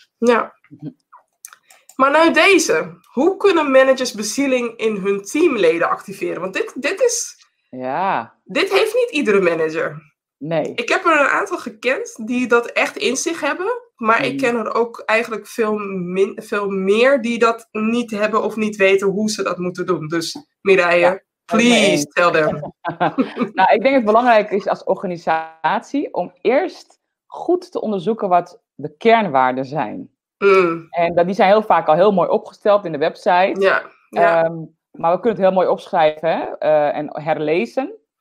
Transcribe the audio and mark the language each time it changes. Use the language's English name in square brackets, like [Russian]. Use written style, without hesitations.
[Dutch] Ja. Maar nou deze. Hoe kunnen managers bezieling in hun teamleden activeren? Want dit is... Ja. Dit heeft niet iedere manager. Nee. Ik heb er een aantal gekend die dat echt in zich hebben. Maar ik ken er ook eigenlijk veel meer die dat niet hebben of niet weten hoe ze dat moeten doen. [English] Dus Mireille, please tell them. [Dutch] Nou, ik denk het belangrijk is als organisatie om eerst goed te onderzoeken wat de kernwaarden zijn. En die zijn heel vaak al heel mooi opgesteld in de website. Ja, ja. Maar we kunnen het heel mooi opschrijven en herlezen.